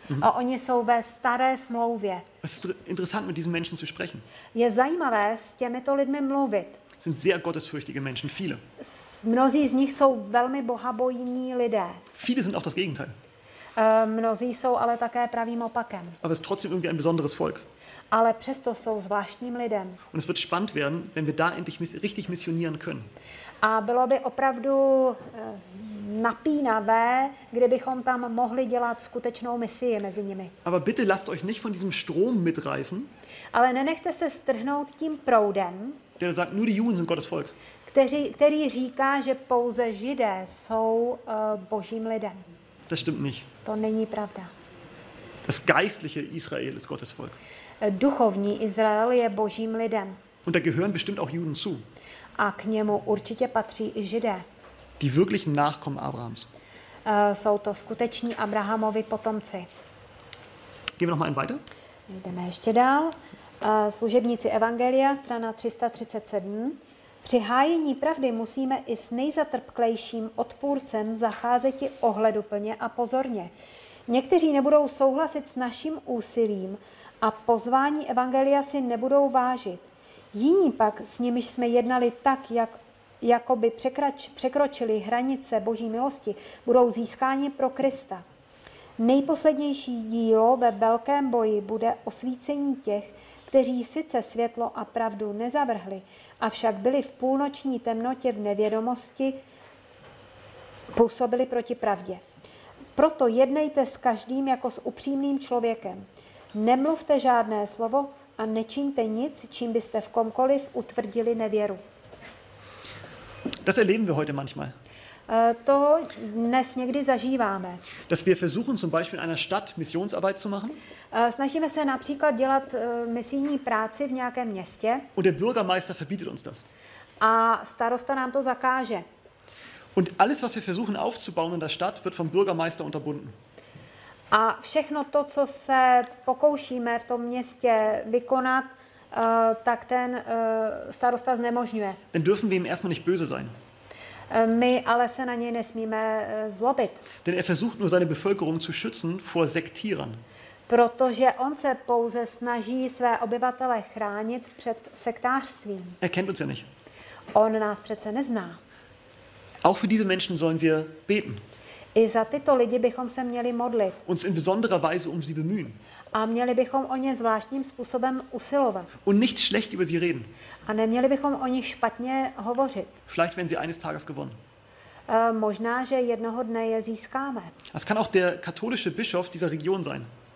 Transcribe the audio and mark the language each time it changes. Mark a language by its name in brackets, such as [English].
[Czech] A oni jsou ve staré smlouvě. [German] Es ist interessant, mit diesen Menschen zu sprechen. [Czech] Je zajímavé s těmito lidmi mluvit. [German] Sind sehr gottesfürchtige Menschen, viele. [Czech] Mnozí z nich jsou velmi bohabojní lidé. [German] Viele sind auch das Gegenteil. [Czech] Mnozí jsou ale také pravým opakem. [German] Aber es ist trotzdem irgendwie ein besonderes Volk. [Czech] Ale přesto jsou zvláštním lidem. [German] Und es wird spannend werden, wenn wir da endlich richtig missionieren können. [Czech] A bylo by opravdu napínavé, kdybychom tam mohli dělat skutečnou misii mezi nimi. [German] Aber bitte lasst euch nicht von diesem Strom mitreißen. [Czech] Ale nenechte se strhnout tím proudem. [German] Der sagt, nur die Juden sind Gottes Volk. [Czech] Který říká, že pouze Židé jsou Božím lidem. [German] Das stimmt nicht. [Czech] To není pravda. [German] Das geistliche Israel ist Gottes Volk. [Czech] Duchovní Izrael je Božím lidem. [German] Und da gehören bestimmt auch Juden zu. [Czech] A k němu určitě patří i Židé. [German] Die wirklichen Nachkommen Abrahams. [Czech] Jsou to skuteční Abrahamovi potomci. [German] Gehen wir noch mal einen weiter? [Czech] Jdeme ještě dál. Služebníci Evangelia, strana 337. Při hájení pravdy musíme i s nejzatrpklejším odpůrcem zacházet ohleduplně a pozorně. Někteří nebudou souhlasit s naším úsilím a pozvání Evangelia si nebudou vážit. Jiní pak, s nimiž jsme jednali tak, jako by překročili hranice Boží milosti, budou získáni pro Krista. Nejposlednější dílo ve velkém boji bude osvícení těch, kteří sice světlo a pravdu nezavrhli, avšak byli v půlnoční temnotě v nevědomosti, působili proti pravdě. Proto jednejte s každým jako s upřímným člověkem. Nemluvte žádné slovo a nečiňte nic, čím byste v komkoliv utvrdili nevěru. [German] Das erleben wir heute manchmal. [Czech] To dnes někdy zažíváme. [German] Dass wir versuchen zum Beispiel in einer Stadt Missionsarbeit zu machen. [Czech] Snažíme se například dělat misijní práci v nějakém městě. [German] Und der Bürgermeister verbietet uns das. [Czech] A starosta nám to zakáže. [German] Und alles, was wir versuchen aufzubauen in der Stadt, wird vom Bürgermeister unterbunden. [Czech] A všechno to, co se pokoušíme v tom městě vykonat, tak ten starosta znemožňuje. [German] Dann dürfen wir ihm erstmal nicht böse sein. [Czech] My ale se na něj nesmíme zlobit. [German] Denn er versucht nur seine Bevölkerung zu schützen vor Sektierern. [Czech] Protože on se pouze snaží své obyvatele chránit před sektářstvím. [German] Er kennt uns ja nicht. [Czech] On nás přece nezná. [German] Auch für diese Menschen sollen wir beten. [Czech] I za tyto lidi bychom se měli modlit. [German] Uns in besonderer Weise um sie bemühen. [Czech] A měli bychom o ně zvláštním způsobem usilovat. [German] Und nicht schlecht über sie reden. [Czech] A neměli bychom o nich špatně hovořit. [German] Vielleicht werden sie eines Tages gewonnen. [Czech] Možná, že jednoho dne je získáme. [German] Das kann auch der katholische Bischof dieser Region sein.